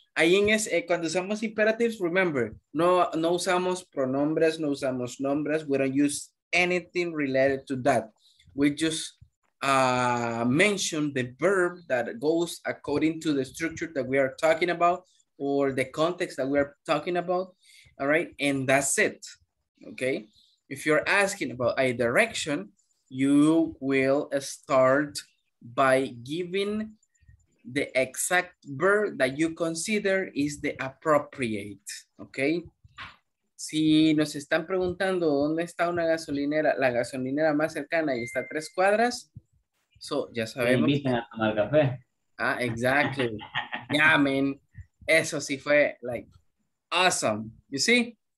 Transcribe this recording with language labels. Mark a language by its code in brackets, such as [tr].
[es] Ahí en ese, cuando usamos imperatives, [en] remember, [es] no usamos pronombres, no usamos nombres. [en] We don't use anything related to that. We just mention the verb that goes according to the structure that we are talking about or the context that we are talking about. All right, and that's it, okay? If you're asking about a direction, you will start by giving the exact verb that you consider is the appropriate, okay? [es] Si nos están preguntando dónde está una gasolinera, la gasolinera más cercana y está a 3 cuadras, so ya sabemos. Me invitan a tomar café. [en] Ah, exactly. Yeah, man, [es] eso sí fue, [en] like, awesome. You see?